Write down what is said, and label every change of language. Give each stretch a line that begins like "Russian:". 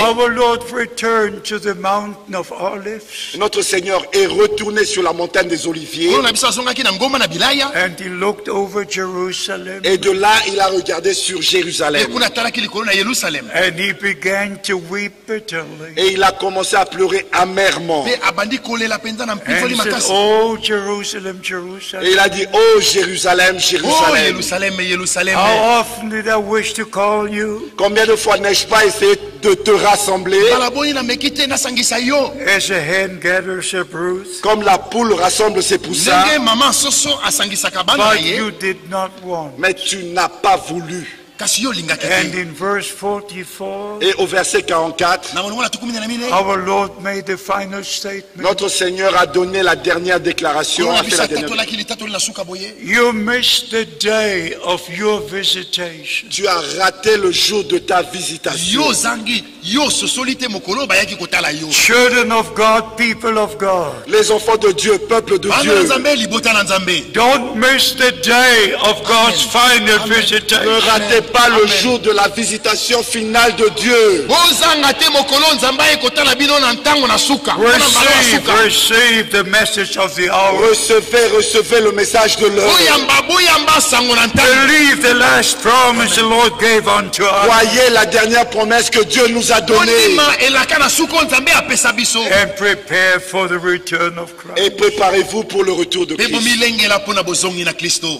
English: our Lord returned to the mountain of Olives.
French: Notre Seigneur est retourné sur la montagne des Oliviers.
English: And he looked over Jerusalem.
French: Et de là, il a regardé sur Jérusalem.
English: And he began to weep bitterly.
French: Et il a commencé à pleurer amèrement.
English: And he said, oh, Jerusalem, Jerusalem.
French: Et il a dit, oh, Jérusalem, Jérusalem. Oh, Jérusalem, Jérusalem.
English: How often did I wish to call you?
French: Combien de fois n'ai-je pas essayé de te rassembler?
English: As a hen gathers her brood.
French: Comme la poule rassemble ses poussins.
English: But you did not want.
French: Mais tu n'as pas voulu.
English: And in verse 44,
French: et au verset 44,
English: our Lord made the final statement.
French: Notre Seigneur a donné la dernière déclaration.
English: You missed the day of your visitation.
French: Tu as raté le jour de ta visitation.
English: Children of God, people of God.
French: Les enfants de Dieu, peuple de Dieu.
English: Don't miss the day of God's final visitation.
French: Ne ratez pas le jour de la visitation finale de Dieu.
English: Receive the message of the hour.
French: Recevez le message de l'heure.
English: Believe the last promise the Lord gave unto us.
French: Croyez la dernière promesse que Dieu nous a donné.
English: And prepare for the return of Christ.
French: Et préparez-vous pour le retour de Christ.